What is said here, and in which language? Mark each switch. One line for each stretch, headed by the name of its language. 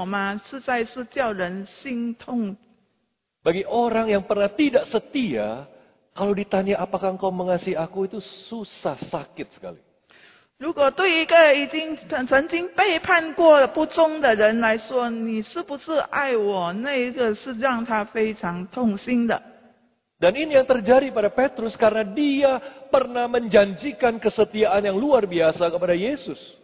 Chinese: 可是对一个已经被这个背叛和不忠所附上颜色的那种关系当中呢，这一句你爱我吗，实在是叫人心痛。
Indonesian: Bagi orang yang pernah tidak setia, kalau ditanya apakah engkau mengasihi aku, itu susah, sakit sekali.
Chinese: 如果对一个已经曾经背叛过不忠的人来说，你是不是爱我？那一个是让他非常痛心的。
Indonesian: Dan ini yang terjadi pada Petrus karena dia pernah menjanjikan kesetiaan yang luar biasa kepada Yesus.